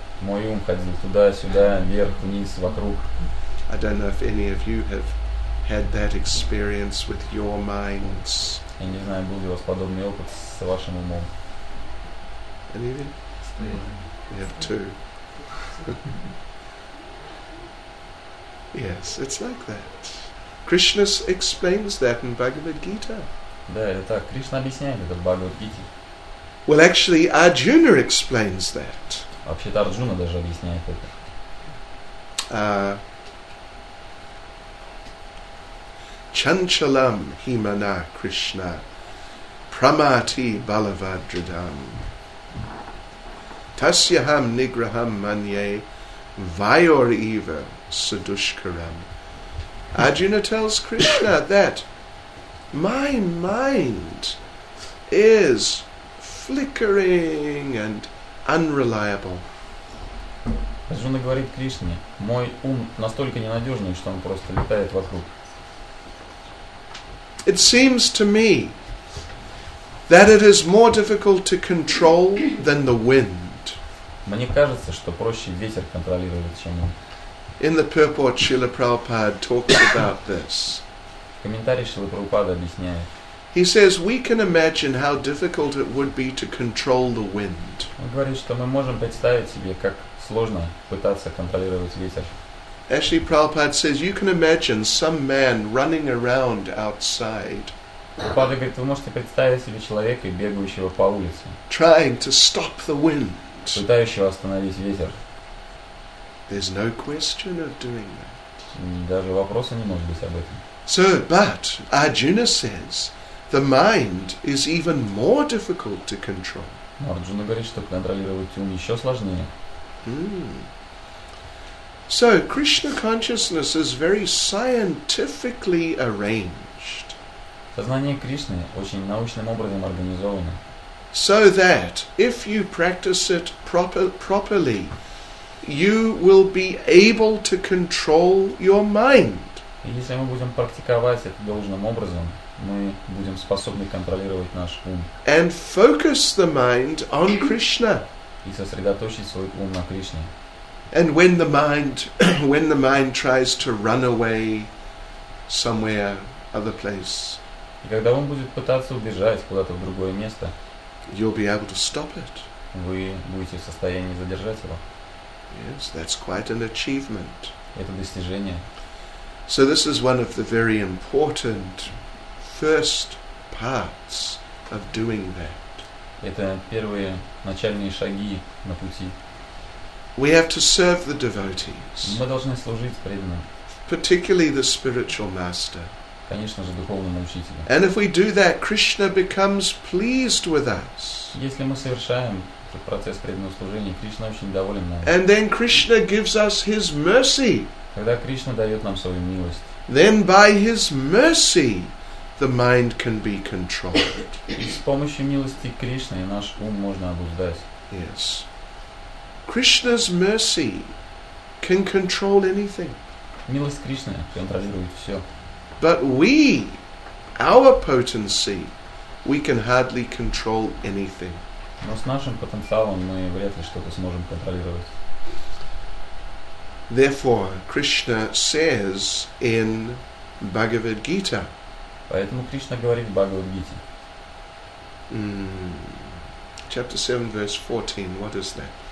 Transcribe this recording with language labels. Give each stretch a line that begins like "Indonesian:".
Russian: Мой ум ходил туда-сюда, вверх, вниз, вокруг.
English: I don't know if any of you have had that experience with your minds.
Russian: Я не знаю, был ли у вас подобный опыт с вашим умом.
English: Any of you? We have two. Yes, it's like that. Krishna explains that in Bhagavad Gita.
Russian: Да, это так. Кришна объясняет это в Бхагавад Гите.
English: Well, actually, Arjuna explains that.
Russian: Вообще-то Арджуна даже объясняет это.
Sanskrit: Chanchalam himana Krishna pramati balavadridam tasyaham nigraham manye vayor eva sadushkaram.
English: Arjuna tells Krishna that my mind is flickering and unreliable.
Russian: Арджуна говорит Кришне, мой ум настолько ненадежный, что он просто летает вокруг.
English: It seems to me that it is more difficult to control than the wind.
Russian: Мне кажется, что проще ветер контролировать, чем ум.
English: In the purport, Srila Prabhupada talks about this.
Russian: В комментарии Шрила Прабхупада объясняет.
English: He says, we can imagine how difficult it would be to control the wind.
Russian: Он говорит, что мы можем представить себе, как сложно пытаться контролировать ветер.
English: Actually, Prabhupada says, you can imagine some man running around outside.
Russian: Прабхупада говорит, вы можете представить себе человека, бегающего по улице.
English: Trying to stop the wind.
Russian: Пытающего остановить ветер.
English: There's no question of doing that.
Russian: Даже вопроса не может быть об этом.
English: So, but Arjuna says, the mind is even more difficult to control.
Russian: Арджуна говорит, что контролировать ум еще сложнее.
English: So, Krishna consciousness is very scientifically arranged.
Russian: Сознание Кришны очень научным образом организовано.
English: So that if you practice it properly, you will be able to control your mind.
Russian: Если мы будем практиковать это должным образом, мы будем способны контролировать наш ум.
English: And focus the mind on Krishna.
Russian: И сосредоточить свой ум на Кришне.
English: And when the mind tries to run away somewhere other place,
Russian: и когда он будет пытаться убежать куда-то в другое место,
English: you'll be able to stop it.
Russian: Вы будете в состоянии задержать его.
English: Yes, that's quite an achievement.
Russian: Это достижение.
English: So this is one of the very important first parts of doing that.
Russian: Это первые начальные шаги на пути.
English: We have to serve the devotees.
Russian: Мы должны служить преданным.
English: Particularly the spiritual master.
Russian: Конечно же, духовному учителю.
English: And if we do that, Krishna becomes pleased with us.
Russian: Если мы совершаем этот процесс преданного служения, Кришна очень доволен нами.
English: And then Krishna gives us his mercy.
Russian: Когда Кришна дает нам свою милость.
English: Then by his mercy, the mind can be controlled.
Russian: С помощью милости Кришны наш ум можно обуздать.
English: Yes. Krishna's mercy can control anything.
Russian: Милость Кришны контролирует все.
English: But we, our potency, we can hardly control anything.
Russian: Но с нашим потенциалом мы вряд ли что-то сможем контролировать.
English: Therefore, Krishna says in Bhagavad Gita.
Russian: Поэтому Кришна говорит в Бхагавад Гите.
English: Chapter 7, verse 14. What is that?